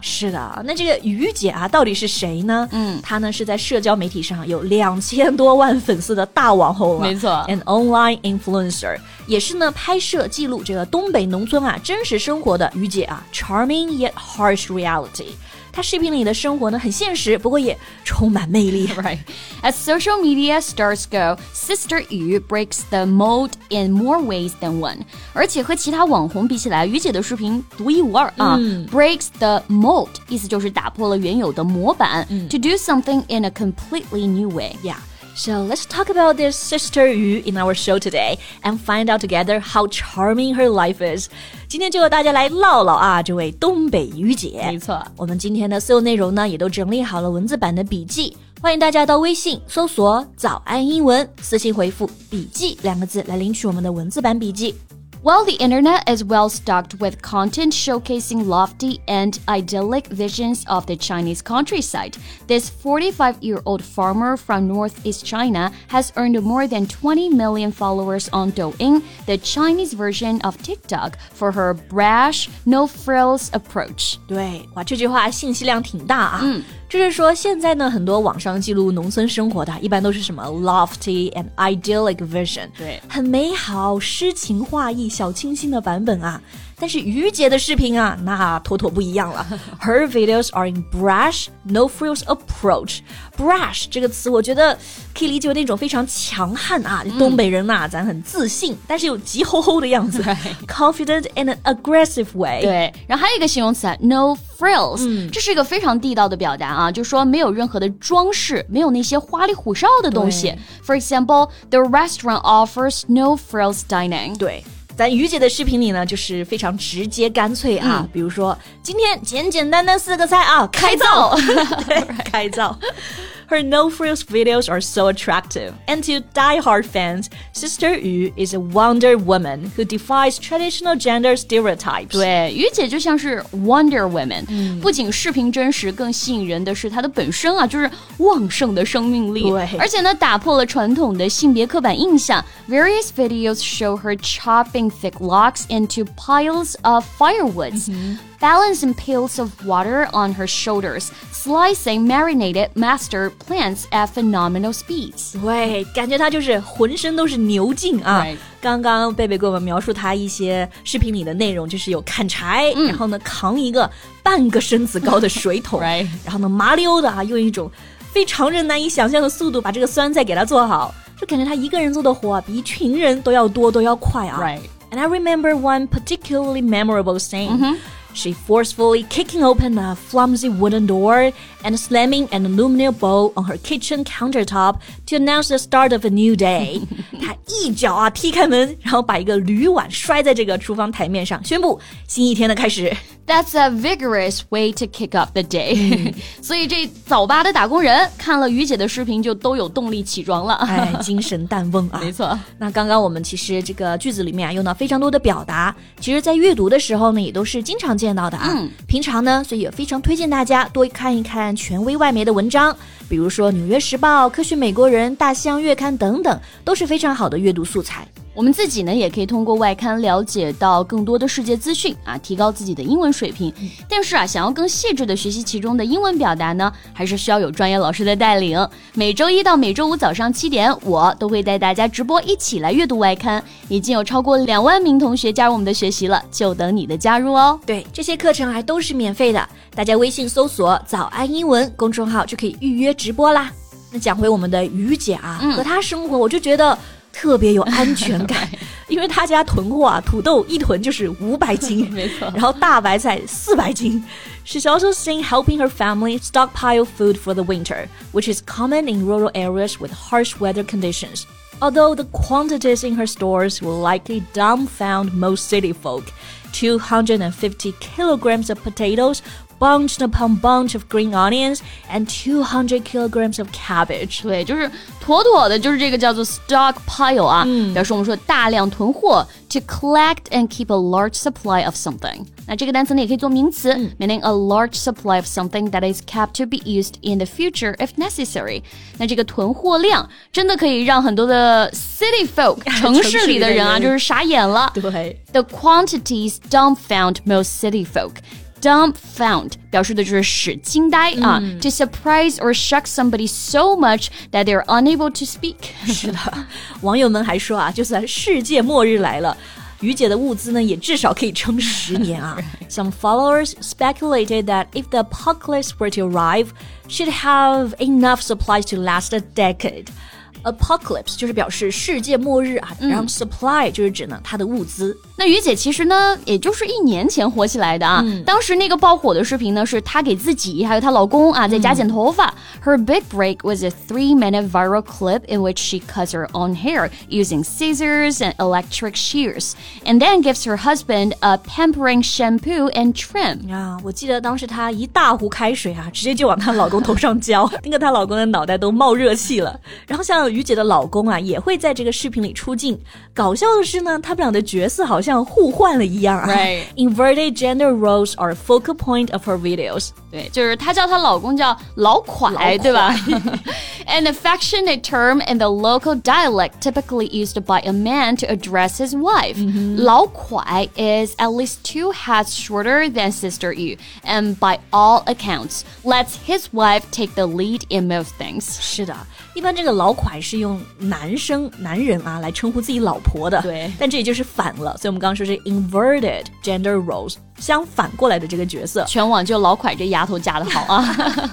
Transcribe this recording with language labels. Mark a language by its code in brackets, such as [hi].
[zh] 是的，那这个雨姐啊到底是谁呢？她呢是在社交媒体上有2000多万粉丝的大网红了。没错， [en] An online influencer， [zh] 也是呢拍摄记录这个东北农村啊真实生活的雨姐啊， [en] Charming yet harsh reality。 [zh] 她视频里的生活呢很现实，不过也充满魅力。 [en] Right. As social media stars go, Sister Yu breaks the mold in more ways than one. [zh] 而且和其他网红比起来，雨姐的视频独一无二啊。 [en] Breaks the mold, [zh] 意思就是打破了原有的模板。 [en] To do something in a completely new way. Yeah. So let's talk about this Sister Yu in our show today and find out together how charming her life is. [zh] 今天就和大家来唠唠啊，这位东北雨姐。没错，我们今天的所有内容呢，也都整理好了文字版的笔记，欢迎大家到微信搜索早安英文，私信回复笔记两个字来领取我们的文字版笔记。 [en] Well, the internet is well stocked with content showcasing lofty and idyllic visions of the Chinese countryside. This 45-year-old farmer from Northeast China has earned more than 20 million followers on Douyin, the Chinese version of TikTok, for her brash, no-frills approach. [zh] 对，哇，这句话信息量挺大啊。就是说现在呢很多网上记录农村生活的一般都是什么 [en] lofty and idyllic vision， [zh] 对，很美好诗情画意小清新的版本啊，但是雨姐的视频啊那妥妥不一样了。 [en] Her videos are in brash, no frills approach. [zh] Brash 这个词我觉得可以理解为那种非常强悍啊，东北人啊咱很自信但是有急吼吼的样子。 [en] Confident in an aggressive way. [zh] 对，然后还有一个形容词 no frills， 这是一个非常地道的表达啊，就是说没有任何的装饰，没有那些花里胡哨的东西。 [en] For example, the restaurant offers no frills dining. [zh] 对，咱雨姐的视频里呢就是非常直接干脆啊，比如说今天简简单单四个菜啊，开灶。对，开灶。 [en] Her no-frills videos are so attractive. And to die-hard fans, Sister Yu is a wonder woman who defies traditional gender stereotypes. [zh] 对，雨姐就像是 wonder woman. 不仅视频真实，更吸引人的是她的本身啊，就是旺盛的生命力。对，而且呢，打破了传统的性别刻板印象。 [en] Various videos show her chopping thick logs into piles of firewoods. Balancing pails of water on her shoulders, slicing marinated master plants at phenomenal speeds. [zh] 对，感觉她就是浑身都是牛劲啊。刚刚贝贝给我们描述她一些视频里的内容，就是有砍柴，然后呢扛一个半个身子高的水桶，然后呢麻溜的啊，用一种非常人难以想象的速度把这个酸菜给她做好，就感觉她一个人做的活啊，比一群人都要多，都要快啊。 [en] Right. And I remember one particularly memorable scene. She forcefully kicking open a flimsy wooden door and slamming an aluminum bowl on her kitchen countertop to announce the start of a new day. [zh] 她一脚啊踢开门，然后把一个铝碗摔在这个厨房台面上，宣布新一天的开始。 [en] That's a vigorous way to kick off the day. [zh] 所以这早八的打工人看了于姐的视频就都有动力起床了。哎，精神氮翁啊。没错。那刚刚我们其实这个句子里面用到非常多的表达，其实在阅读的时候呢也都是经常见到的啊。平常呢，所以也非常推荐大家多看一看权威外媒的文章，比如说纽约时报、科学美国人、大西洋月刊等等，都是非常好的阅读素材。我们自己呢也可以通过外刊了解到更多的世界资讯啊，提高自己的英文水平。但是啊，想要更细致的学习其中的英文表达呢，还是需要有专业老师的带领。每周一到每周五早上七点，我都会带大家直播一起来阅读外刊。已经有超过20,000名同学加入我们的学习了，就等你的加入哦。对，这些课程还都是免费的，大家微信搜索早安英文公众号就可以预约直播啦。那讲回我们的于姐啊，和她生活我就觉得特别有安全感，因为他家囤货啊，土豆一囤就是500斤，没错，然后大白菜400斤。 [en] She's also seen helping her family stockpile food for the winter, which is common in rural areas with harsh weather conditions. Although the quantities in her stores will likely dumbfound most city folk, 250 kilograms of potatoes, bunched upon bunch of green onions, and 200 kilograms of cabbage. [zh] 对，就是妥妥的就是这个叫做 stockpile 啊，表示我们说大量囤货， [en] to collect and keep a large supply of something. [zh] 那这个单词呢也可以做名词， [en] meaning a large supply of something that is kept to be used in the future if necessary. [zh] 那这个囤货量真的可以让很多的 city folk, 城市里的人啊，就是傻眼了。对。 [en] The quantities dumbfound most city folk. Dumbfound [zh] 表示的就是使惊呆啊、 [en] to surprise or shock somebody so much that they're unable to speak. [zh] 是的，网友们还说啊，就算世界末日来了，于姐的物资呢也至少可以撑10年啊。 [en] Right. Some followers speculated that if the apocalypse were to arrive, she'd have enough supplies to last a decade. [zh] Apocalypse 就是表示世界末日啊，然后 supply 就是指呢它的物资。那于姐其实呢也就是一年前火起来的啊，当时那个爆火的视频呢是她给自己还有她老公啊在家剪头发。 [en] Her big break was a 3-minute viral clip in which she cuts her own hair using scissors and electric shears and then gives her husband a pampering shampoo and trim. [zh] 啊，我记得当时她一大壶开水啊直接就往她老公头上浇，那个她老公的脑袋都冒热气了。然后像于姐的老公啊也会在这个视频里出镜，搞笑的是呢他们俩的角色好像互换了一样啊。 [en] Right. Inverted gender roles are a focal point of her videos. [zh] 对，就是她叫她老公叫老款，对吧？ [en] An affectionate term in the local dialect typically used by a man to address his wife. Mm-hmm. 老款 is at least 2 heads shorter than sister Yu, and by all accounts, lets his wife take the lead in most things. [zh] 是的，一般这个老款是用男人啊来称呼自己老婆的。对，但这也就是反了，所以我们刚刚说是 [en] inverted gender roles, [zh] 相反过来的这个角色。全网就老款这丫头嫁得好啊。